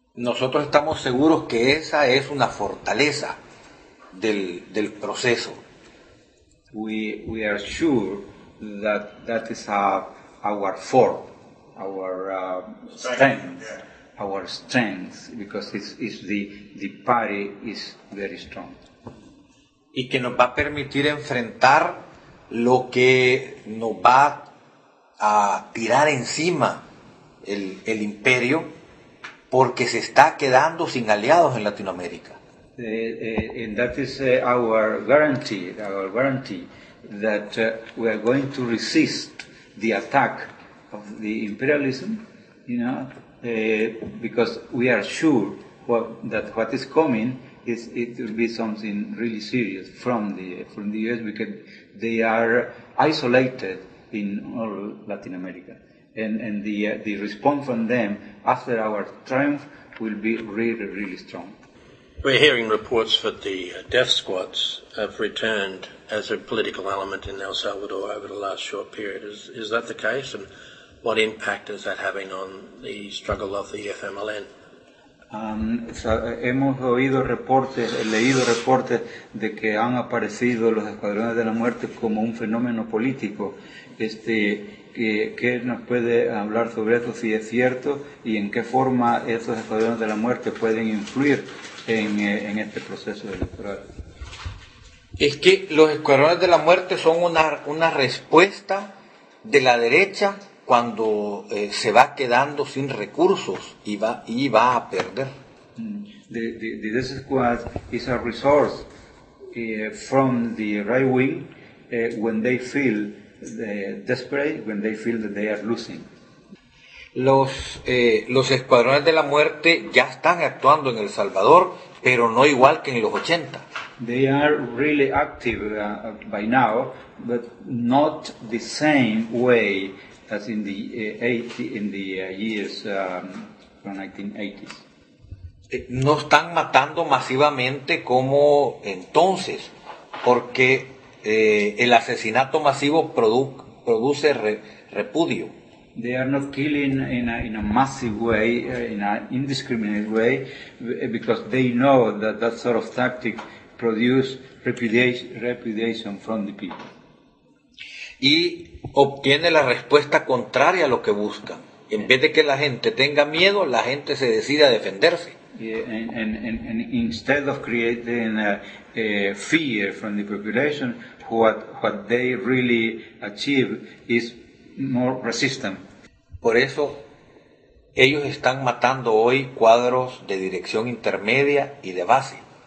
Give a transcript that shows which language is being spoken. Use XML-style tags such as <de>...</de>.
<es>Nosotros estamos seguros que esa es una fortaleza del proceso.</es> <en>We are sure that is our fort, our strength, because it's the party is very strong.</en> <es>Y que nos va a permitir enfrentar lo que nos va a tirar encima el imperio, porque se está quedando sin aliados en Latinoamérica.</es> <en>And that is our guarantee that we are going to resist the attack of the imperialism, you know, because we are sure what is coming is it will be something really serious from the US, because they are isolated in all Latin America. And the response from them after our triumph will be really, really strong. We're hearing reports that the death squads have returned as a political element in El Salvador over the last short period. Is that the case? And what impact is that having on the struggle of the FMLN?</en> <es>Hemos leído reportes de que han aparecido los escuadrones de la muerte como un fenómeno político. ¿Qué nos puede hablar sobre eso, si es cierto, y en qué forma esos escuadrones de la muerte pueden influir en este proceso electoral? Es que los escuadrones de la muerte son una respuesta de la derecha cuando se va quedando sin recursos y va a perder.</es> <en>The death squad is a resource from the right wing when they feel desperate, when they feel that they are losing.</en> <es>Los escuadrones de la muerte ya están actuando en El Salvador, pero no igual que en los 80.</es> <en>They are really active by now, but not the same way as in the 1980s.</en> <es>No están matando masivamente como entonces, porque el asesinato masivo produce repudio.</es> <en>They are not killing in a massive way, in an indiscriminate way, because they know that sort of tactic produce repudiation from the people.</en> <es>Y obtiene la respuesta contraria a lo que buscan. En vez de que la gente tenga miedo, la gente se decide a defenderse.</es> <en>And instead of creating a fear from the population, what they really achieve is more resistance.</en> <es>Por eso, ellos están matando hoy cuadros de dirección intermedia y de base.</es>